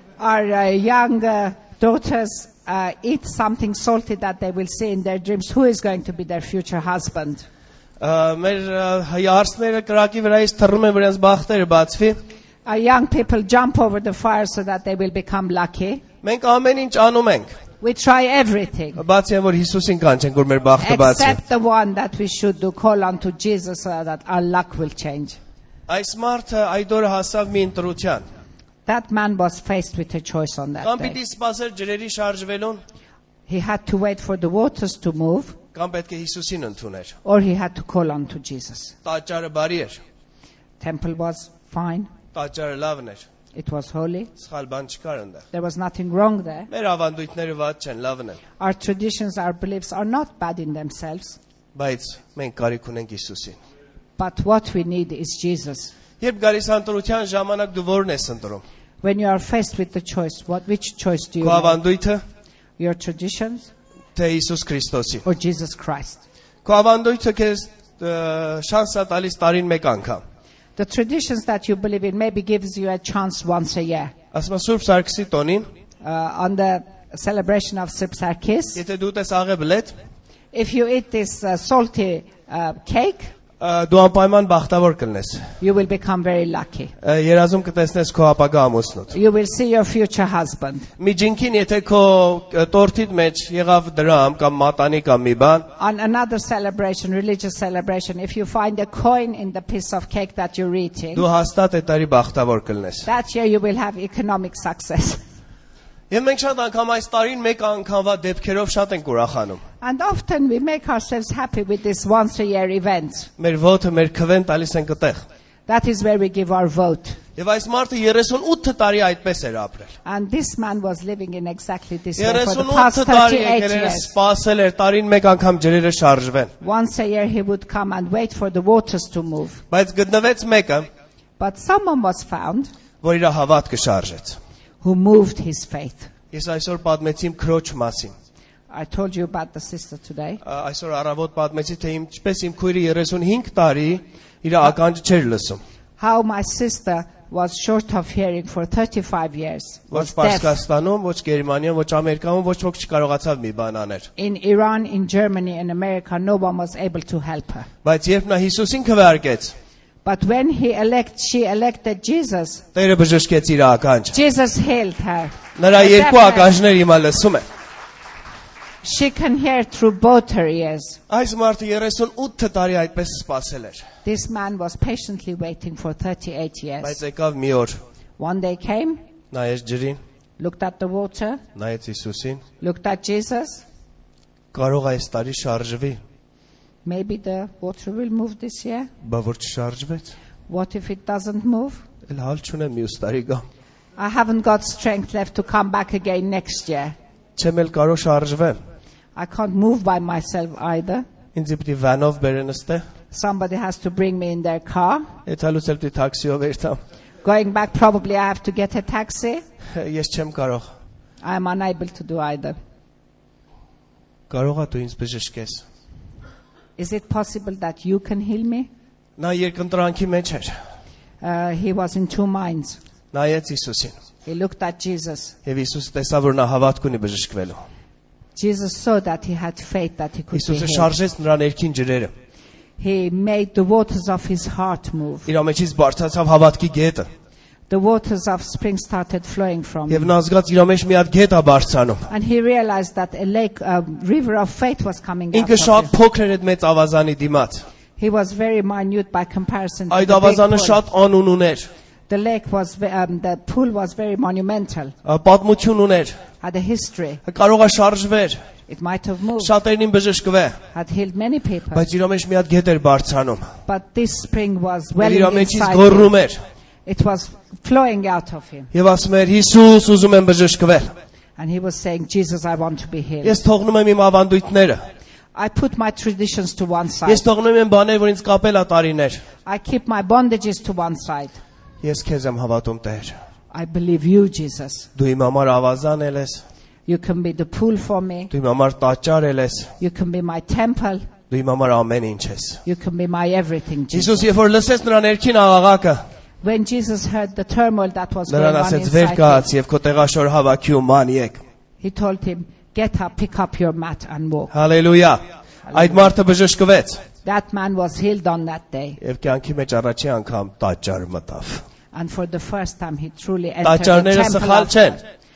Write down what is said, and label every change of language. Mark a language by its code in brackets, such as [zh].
[en] Our young daughters eat something salty that they will see in their dreams who is going to be their future husband. [hy] Մեր հայարսները կրակի վրայից թռում են, որ իրենց բախտերը բացվի. [en] Our young people jump over the fire so that they will become lucky. [hy] Մենք ամեն ինչ անում ենք. [en] We try everything. [hy] Բացի այն, որ Հիսուսին կանչենք, որ մեր բախտը բացի. [en] Except the one that we should do, call unto Jesus so that our luck will change. [hy] Այս մարդը այդ օրը հասավ մի ընտրության. [en] That man was faced with a choice on that day. [hy] Կամ պիտի սպասեր ջրերի շարժվելուն. [en] He had to wait for the waters to move. [hy] Կամ պետք է Հիսուսին ընդուներ. [en] Or he had to call unto Jesus. [hy] Տաճարը բարի էր. [en] Temple was fine. [hy] Տաճարը լավն էր. [en] It was holy. [hy] Սխալ բան չկար այնտեղ. [en] There was nothing wrong there. [hy] Մեր ավանդույթները վատ չեն, լավն են. [en] Our traditions, our beliefs are not bad in themselves. [hy] Բայց մենք կարիք ունենք Հիսուսին. [en] But what we need is Jesus. [hy] Երբ գալիս ընտրության ժամանակ դու ո՞րն ես ընտրում. [en] When you are faced with the choice, which choice do you make? [hy] Քո ավանդույթը? [en] Your traditions? [hy] Թե Հիսուս Քրիստոսի. [en] Or Jesus Christ. [hy] Քո ավանդույթը քեզ շանս է տալիս տարին մեկ անգամ. [en] The traditions that you believe in maybe gives you a chance once a year. [hy] Ասմա Սուրբ Սարգսի տոնին. [en] On the celebration of Սուրբ Սարգիս. [hy] Եթե դու ուտես աղեբլետ. [en] If you eat this salty cake. [hy] Դու անպայման բախտավոր կլնես. [en] You will become very lucky. [hy] Երազում կտեսնես քո ապագա ամուսնուդ. [en] You will see your future husband. [hy] Մի ջինքին եթե քո տորթիդ մեջ եղավ դրամ կամ մատանի կամ մի բան. [en] On another celebration, religious celebration, if you find a coin in the piece of cake that you're eating. [hy] Դու հաստատ այդ տարի բախտավոր կլնես. [en] That year you will have economic success. [hy] Եմ մենք շատ անգամ այս տարին մեկ անգամվա դեպքերով շատ ենք ուրախանում. [en] And often we make ourselves happy with this once a year event. [hy] Մեր ոթը մեր քվեն տալիս ենք այդտեղ. [en] That is where we give our vote. [hy] Եվ այս մարդը 38 տարի այդպես էր ապրել. [en] And this man was living in exactly this way for the past 38 years. [hy] 38 տարի սպասել էր տարին մեկ անգամ ջրերը շարժվեն. [en] Once a year he would come and wait for the waters to move. [hy] Բայց գտնվեց մեկը. [en] But someone was found. [hy] Որ իր հավատքը շարժեց. [en] Who moved his faith. [hy] Ես այսօր պատմեցի իմ քրոջ մասին. [en] I told you about the sister today. I saw Aravot [hy] պատմեցի թե ինչպես իմ քույրը 35 տարի իր ականջը չէր լսում. [en] How my sister was short of hearing for 35 years. [hy] Ոչ Պարսկաստանում, ոչ Գերմանիայում, ոչ Ամերիկայում ոչ ոք չկարողացավ մի բան անել. [en] In Iran, in Germany, in America, no one was able to help her. [hy] Բայց երբ նա Հիսուսին քվեարկեց. [en] But when she elected Jesus. [hy] Տերը բժշկեց իր ականջը. [en] Jesus healed her. [hy] Նրա երկու ականջները հիմա լսում են. [en] She can hear through both her ears. [hy] Այս մարդը 38 տարի այդպես սպասել էր. [en] This man was patiently waiting for 38 years. [hy] Բայց եկավ մի օր. [en] One day came. [hy] Նայեց ջրին. [en] Looked at the water. [hy] Նայեց Հիսուսին. [en] Looked at Jesus. [hy] Կարող է այս տարի շարժվի. [en] Maybe the water will move this year. [hy] Բայց ոչ շարժվեց. [en] What if it doesn't move? [hy] Էլ հալ չունեմ մյուս տարի գամ. [en] I haven't got strength left to come back again next year. [hy] Չեմ էլ կարող շարժվեմ. [en] I can't move by myself either. [hy] Ինձ պիտի վանով բերեն ըստե. [en] Somebody has to bring me in their car. [hy] Եթե լուծել պիտի տաքսիով երթամ. [en] Going back probably I have to get a taxi. [hy] Ես չեմ կարող. [en] I am unable to do either. [hy] Կարողա դու ինձ բժշկես. [en] Is it possible that you can heal me? [hy] Նա երկընտրանքի մեջ էր. [en] He was in two minds. [hy] Նայեց Հիսուսին. [en] He looked at Jesus. [hy] Եվ Հիսուսը տեսավ, որ նա հավատք ունի բժշկվելու. [en] Jesus saw that he had faith that he could heal. [hy] Հիսուսը շարժեց նրա ներքին ջրերը. [en] He made the waters of his heart move. [hy] Իր մեջից բարձրացավ հավատքի գետը. [en] The waters of spring started flowing from him. [hy] Եվ նա զգաց իր մեջ մի հատ գետ է բարձրանում. [en] And he realized that a lake, a river of faith was coming up. [hy] Ինքը շատ փոքր էր այդ մեծ ավազանի դիմաց. [en] He was very minute by comparison to the big one. [hy] Այդ ավազանը շատ անուն ուներ. [en] the lake was the pool was very monumental. [hy] Պատմություն ուներ. [en] Had a history. [hy] Կարող է շարժվեր. [en] It might have moved. [hy] Շատերին բժշկվե. [en] Had healed many people. [hy] Բայց իր մեջ մի հատ գետ էր բարձանում. [en] But this spring was welling inside. [hy] Իր մեջից գոռում էր. [en] It was flowing out of him. [hy] Եվ ասում էր Հիսուս, ուզում եմ բժշկվել. [en] And he was saying, Jesus, I want to be healed. [hy] Ես թողնում եմ իմ ավանդույթները. [en] I put my traditions to one side. [hy] Ես թողնում եմ բաները, որ ինձ կապել ա տարիներ. [en] I keep my bondages to one side. [hy] Ես քեզ եմ հավատում, Տեր. [en] I believe you, Jesus. [hy] Դու իմ համար ավազան ես. [en] You can be the pool for me. [hy] Դու իմ համար տաճար ես. [en] You can be my temple. [hy] Դու իմ համար ամեն ինչ ես. [en] You can be my everything, Jesus. [hy] Իսուսի, որ լսես նրա ներքին աղաղակը. [en] When Jesus heard the turmoil that was going on inside him, he told him, get up, pick up your mat and walk. Hallelujah. Hallelujah. That man was healed on that day. And for the first time, he truly entered the temple.